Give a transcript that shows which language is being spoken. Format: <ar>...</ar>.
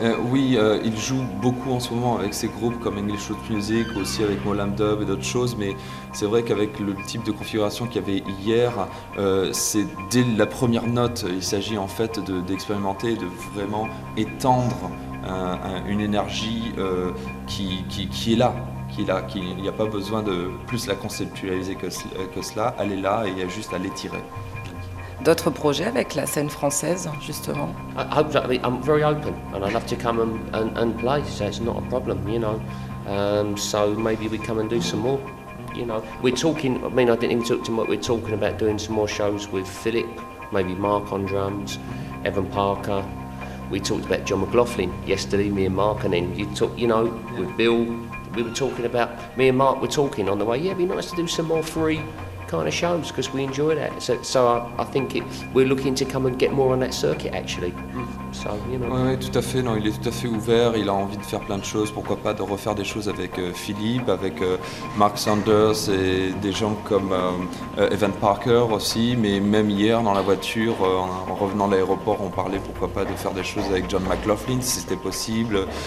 <fr>Oui, il joue beaucoup en ce moment avec ses groupes comme English Road Music, aussi avec Molam Dub et d'autres choses, mais c'est vrai qu'avec le type de configuration qu'il y avait hier, c'est dès la première note, il s'agit en fait d'expérimenter, de vraiment étendre une énergie qui est là. Il n'y a pas besoin de plus la conceptualiser que cela, elle est là et il y a juste à l'étirer. D'autres projets avec la scène française, justement.</fr> <en>I'm very open and I'd love to come and play, so it's not a problem, you know. So maybe we come and do some more, you know. We're talking, I mean, I didn't even talk to him, but we're talking about doing some more shows with Philip, maybe Mark on drums, Evan Parker. We talked about John McLaughlin yesterday, me and Mark, and then with Bill, we were talking about, me and Mark were talking on the way, yeah, it'd be nice to do some more free kind of shows because we enjoy that. So I think we're looking to come and get more on that circuit actually. So</en> <fr>Oui, tout à fait. Non, il est tout à fait ouvert. Il a envie de faire plein de choses. Pourquoi pas de refaire des choses avec Philippe, avec Mark Sanders et des gens comme Evan Parker aussi. Mais même hier, dans la voiture, en revenant de l'aéroport, on parlait pourquoi pas de faire des choses avec John McLaughlin si c'était possible.</fr>